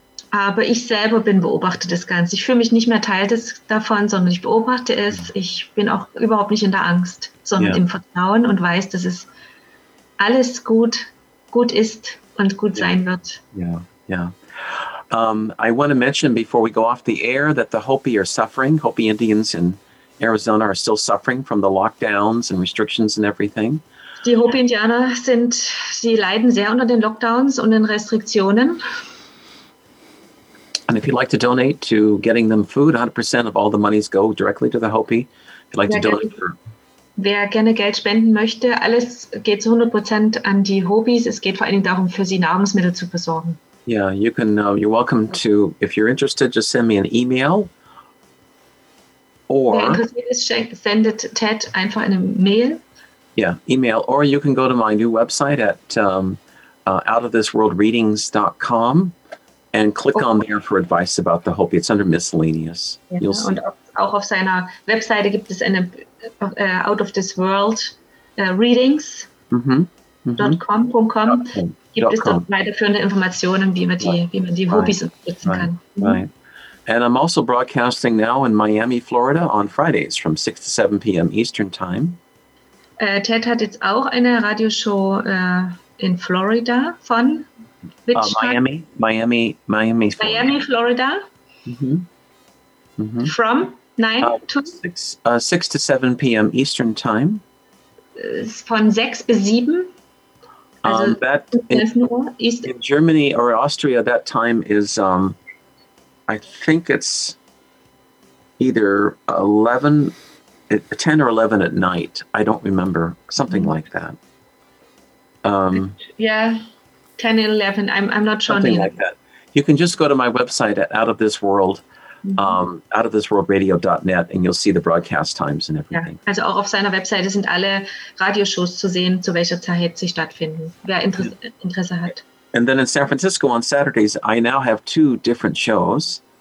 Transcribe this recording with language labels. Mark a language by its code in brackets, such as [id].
[de] Aber ich selber beobachte das Ganze. Ich fühle mich nicht mehr Teil davon, sondern ich beobachte es. Ich bin auch überhaupt nicht in der Angst, sondern im Vertrauen und weiß, dass es alles gut ist und gut sein wird. [en] I want to mention before we go off the air that the Hopi are suffering, Hopi Indians in, Arizona are still suffering from the lockdowns and restrictions and everything. [de] Die Hopi-Indianer leiden sehr unter den Lockdowns und den Restriktionen. [en] And if you'd like to donate to getting them food, 100% of all the monies go directly to the Hopi. If you'd like to donate for... [de] Wer gerne Geld spenden möchte, alles geht zu 100% an die Hopis. Es geht vor allen Dingen darum, für sie Nahrungsmittel zu besorgen. [en] Yeah, you can. You're welcome to. If you're interested, just send me an email. Or. [de] Wer interessiert ist, sendet Ted einfach eine Mail. [en] Yeah, email. Or you can go to my new website at outofthisworldreadings.com and click on there for advice about the Hopi. It's under miscellaneous. Yeah, you'll see. [de] Und auch auf seiner Webseite gibt es eine Out of This World Readings. .com. Gibt es dann weiterführende Informationen, wie man die Hopis unterstützen kann. [en] And I'm also broadcasting now in Miami, Florida on Fridays from 6 to 7 p.m. Eastern Time. [de] Ted hat jetzt auch eine Radioshow in Florida von [en] Miami, Florida. From 9 to 6 to 7 p.m. Eastern Time. [de] Von 6 bis 7. [en] That in Germany or Austria, that time is, I think it's either 10 or 11 at night. I don't remember, something like that. Yeah, 10 or 11. I'm not sure. Something like that. You can just go to my website at Out of This World. outofthisworldradio.net and you'll see the broadcast times and everything. [de] Ja, also auch auf seiner Webseite sind alle Radioshows zu sehen, zu welcher Zeit sie stattfinden, wer Interesse hat. [en] And then in San Francisco on Saturdays, I now have two different shows.